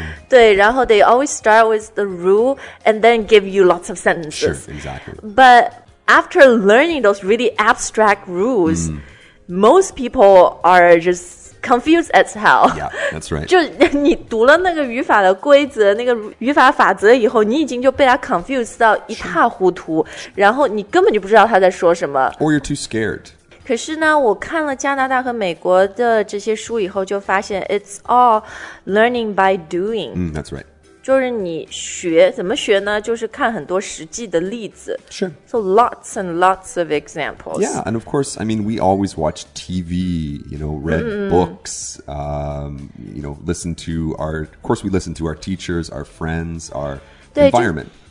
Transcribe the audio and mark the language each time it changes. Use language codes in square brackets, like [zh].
[zh] 对，然后 [en] they always start with the rule and then give you lots of sentences. Sure, exactly. But after learning those really abstract rules,、mm. most people are just confused as hell. Yeah, that's right. [zh] 就你读了那个语法的规则，那个语法法则以后，你已经就被它 confused 到一塌糊涂，然后你根本就不知道他在说什么。 [en] Or you're too scared. [zh] 可是呢，我看了加拿大和美国的这些书以后，就发现 [en] it's all learning by doing. 嗯、that's right. [zh] 就是你学，怎么学呢？就是看很多实际的例子。 [en] Sure. So lots and lots of examples. Yeah, and of course, I mean, we always watch TV, you know, read、mm-hmm. books,、you know, listen to our, of course, we listen to our teachers, our friends, our environment.